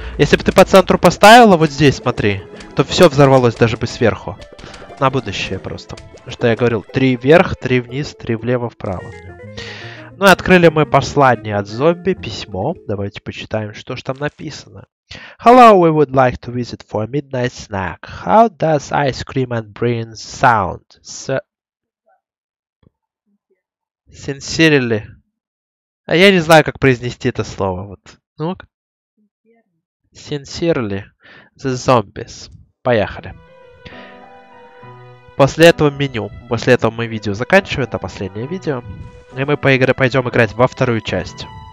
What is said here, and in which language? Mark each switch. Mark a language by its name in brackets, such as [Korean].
[Russian] Если бы ты по центру поставила вот здесь, смотри, то все взорвалось даже бы сверху. На будущее просто. Что я говорил, три вверх, три вниз, три влево-вправо. Ну и открыли мы послание от зомби, письмо. Давайте почитаем, что ж там написано. [English] Hello, we would like to visit for a midnight snack. How does ice cream and brain sound? Sincerely. [Russian] А я не знаю, как произнести это слово. Вот. [English] Ну, sincerely. The zombies. [Russian] Поехали. После этого меню. После этого мы видео заканчиваем. Это последнее видео. И мы пойдем играть во вторую часть.